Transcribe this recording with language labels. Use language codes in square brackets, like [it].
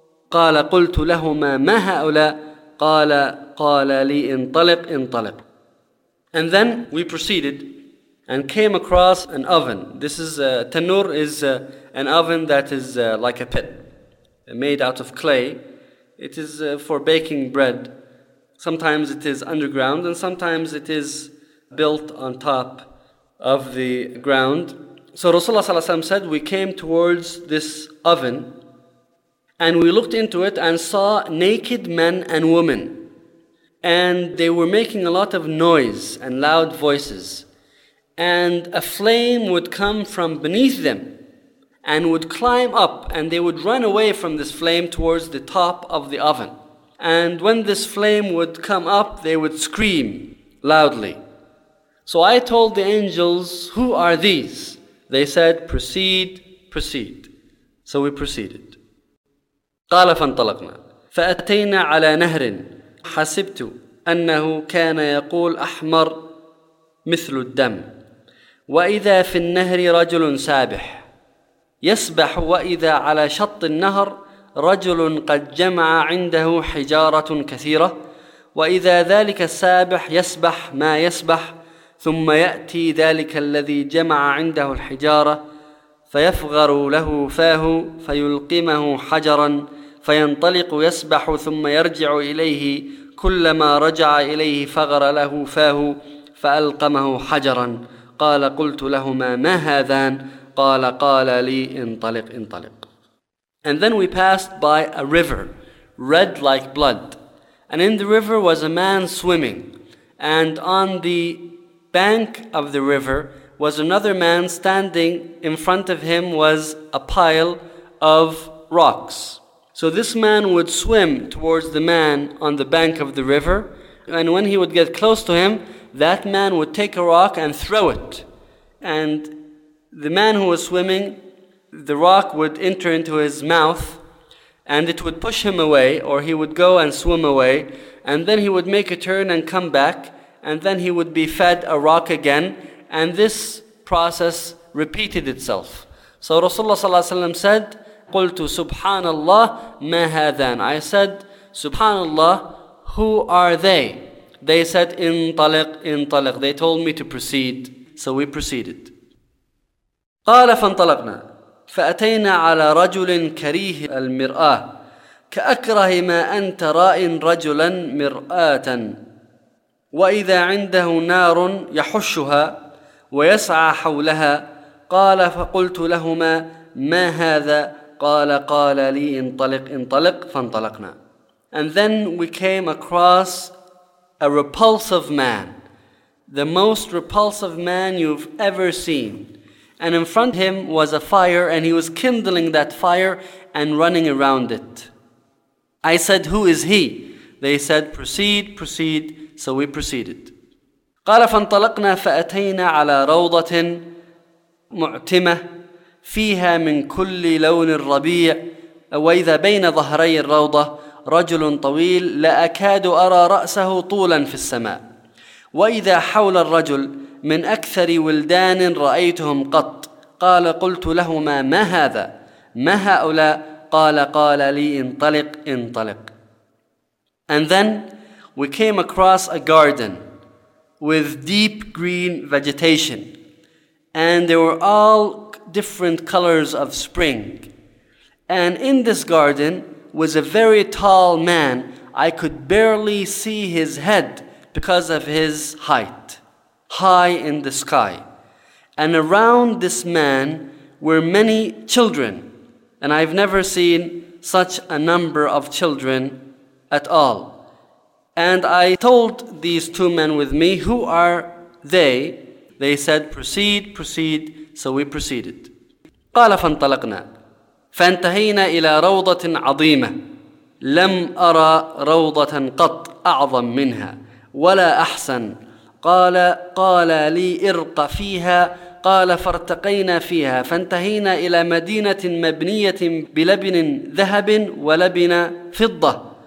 [ar] قَالَ قُلْتُ لَهُمَا مَا هَؤُلَاءَ قَالَ لِي انطلق انطلق [en] And then we proceeded and came across an oven. This is tanur is an oven that is like a pit made out of clay. It is for baking bread. Sometimes it is underground and sometimes it is built on top of the ground. So Rasulullah ﷺ said, we came towards this oven and we looked into it and saw naked men and women. And they were making a lot of noise and loud voices. And a flame would come from beneath them and would climb up and they would run away from this flame towards the top of the oven. And when this flame would come up, they would scream loudly. So I told the angels, who are these? They said, proceed, proceed. So we proceeded. [ar] قال فانطلقنا فأتينا على نهر حسبت أنه كان يقول أحمر مثل الدم وإذا في النهر رجل سابح يسبح وإذا على شط النهر رجل قد جمع عنده حجارة كثيرة وإذا ذلك السابح يسبح ما يسبح ثم يأتي ذلك الذي جمع عنده الحجارة فيفغر له فاه فيلقمه حجرا فينطلق يسبح ثم يرجع إليه كلما رجع إليه فغر له فاه فألقمه حجرا قال قلت لهما ما هذان قال قال لي انطلق انطلق [en] And then we passed by a river, red like blood. And in the river was a man swimming. And on the bank of the river was another man standing. In front of him was a pile of rocks. So this man would swim towards the man on the bank of the river. And when he would get close to him, that man would take a rock and throw it. And the man who was swimming, the rock would enter into his mouth and it would push him away or he would go and swim away and then he would make a turn and come back and then he would be fed a rock again and this process repeated itself. So Rasulullah sallallahu alaihi wasallam said, [ar] قُلْتُ سُبْحَانَ اللَّهِ مَا هَذَانِ [en] I said, [ar] سُبْحَانَ اللَّهِ [en] Who are they? They said, [ar] انطلق انطلق [en] They told me to proceed. So we proceeded. [ar] قَالَ فَانْطَلَقْنَا فأتينا على رجل كريه المرآة كأكره ما أن ترى رجلا مرآة وإذا عنده نار يحشها ويسعى حولها قال فقلت لهما ما هذا قال قال لي انطلق انطلق فانطلقنا [en] And then we came across a repulsive man, the most repulsive man you've ever seen. And in front of him was a fire, and he was kindling that fire and running around it. I said, who is he? They said, proceed, proceed. So we proceeded. [ar] قال فانطلقنا فأتينا على روضة معتمة فيها من كل لون الربيع وإذا بين ظهري الروضة رجل طويل لا أكاد أرى رأسه طولا في السماء وإذا حول الرجل من أكثر ولدان رأيتهم قط قال قلت لهما ما هذا ما هؤلاء قال قال لي انطلق انطلق [en] And then we came across a garden with deep green vegetation and there were all different colors of spring and in this garden was a very tall man I could barely see his head because of his height high in the sky. And around this man were many children. And I've never seen such a number of children at all. And I told these two men with me, who are they? They said, proceed, proceed. So we proceeded. [ar] قال فانطلقنا فانتهينا إلى روضة عظيمة لم أرى روضة قط أعظم منها ولا أحسن. قال لي ارق فيها. قال فارتقينا فيها فانتهينا إلى مدينة مبنية بلبن ذهب ولبن فضة.